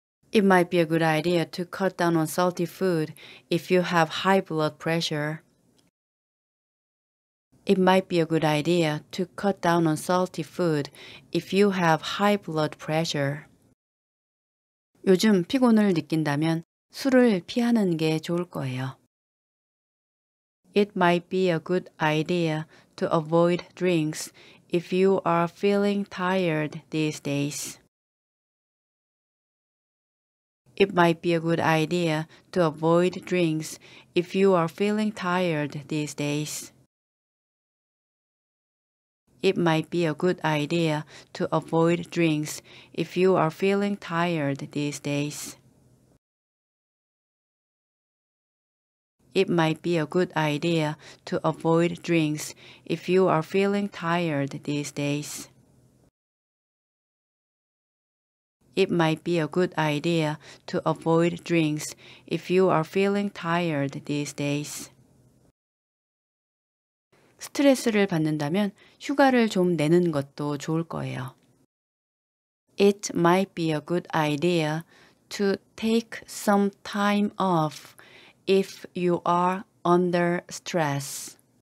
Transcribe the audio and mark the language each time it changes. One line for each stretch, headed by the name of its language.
English: It might be a good idea to cut down on salty food if you have high blood pressure. It might be a good idea to cut down on salty food if you have high blood pressure.
Korean: 요즘 피곤을 느낀다면 술을 피하는 게 좋을 거예요.
English: It might be a good idea to avoid drinks if you are feeling tired these days. It might be a good idea to avoid drinks if you are feeling tired these days. It might be a good idea to avoid drinks if you are feeling tired these days. It might be a good idea to avoid drinks if you are feeling tired these days. It might be a good idea to avoid drinks if you are feeling tired these days.
Korean: 스트레스를 받는다면 휴가를 좀 내는 것도 좋을 거예요.
English: It might be a good idea to take some time off if you are under stress.